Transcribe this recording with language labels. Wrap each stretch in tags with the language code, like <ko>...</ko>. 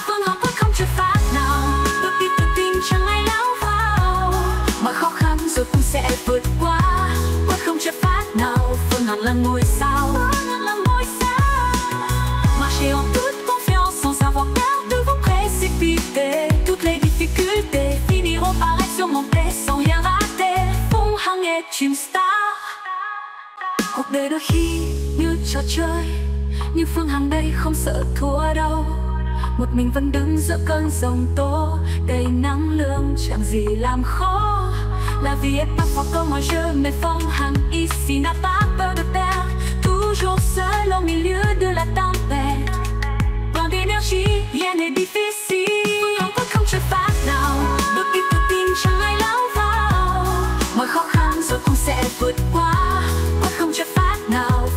<vi>Phương Hằng quyết không chờ phát nào. Bước đi tự tin chẳng ai lao vào. Mọi khó khăn rồi cũng sẽ vượt qua. Quyết không chờ phát nào. Phương Hằng là ngôi sao. Phương Hằng là ngôi sao.</vi> <fr>Marcher en toute confiance sans avoir peur de vous précipiter. Toutes les difficultés finiront par être surmontées sans rien rater. Phương Hằng est une star.</fr> <vi>Cuộc đời đôi khi như trò chơi. Nhưng Phương Hằng đây không sợ thua đâu. Một mình vẫn đứng giữa cơn giông tố. Đầy năng lượng chẳng gì làm khó.</vi> <fr>La vie est parfois comme un jeu, mais Phương Hằng ici n'a pas peur de perdre. Toujours seul au milieu de la tempête. Plein d'énergie, rien n'est difficile.</fr> <vi>Phương Hằng quyết không chờ phát nào. Bước đi tự tin chẳng ai lao vào. Mọi khó khăn rồi cũng sẽ vượt qua. Quyết không chờ phát nào.</vi>